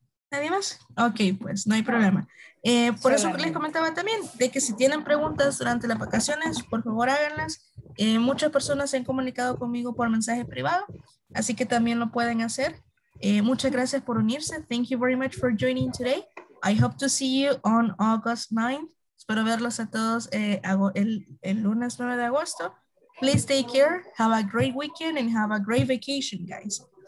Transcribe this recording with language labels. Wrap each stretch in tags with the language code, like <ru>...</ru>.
<es>¿Nadie más? Ok, pues no hay problema. Por eso les comentaba también de que si tienen preguntas durante las vacaciones, por favor háganlas. Muchas personas se han comunicado conmigo por mensaje privado, así que también lo pueden hacer. Muchas gracias por unirse.</es> <en>Thank you very much for joining today. I hope to see you on August 9th.</en> <es>Espero verlos a todos el lunes 9 de agosto.</es> <en>Please take care. Have a great weekend and have a great vacation, guys.</en>